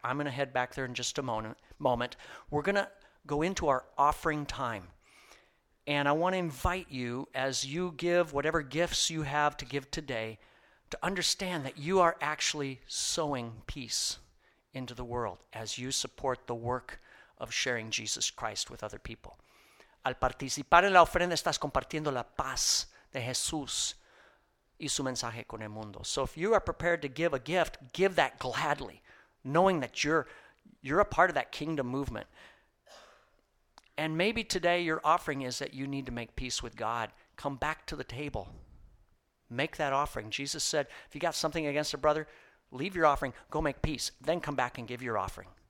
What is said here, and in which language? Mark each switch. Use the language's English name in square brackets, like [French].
[English] I'm going to head back there in just a moment. We're going to go into our offering time, and I want to invite you, as you give whatever gifts you have to give today, to understand that you are actually sowing peace into the world as you support the work of sharing Jesus Christ with other people. [Spanish] Al participar en la ofrenda, estás compartiendo la paz de Jesús y su mensaje con el mundo. [English] So if you are prepared to give a gift, give that gladly, knowing that you're a part of that kingdom movement. And maybe today your offering is that you need to make peace with God. Come back to the table. Make that offering. Jesus said, if you got something against a brother, leave your offering, go make peace, then come back and give your offering.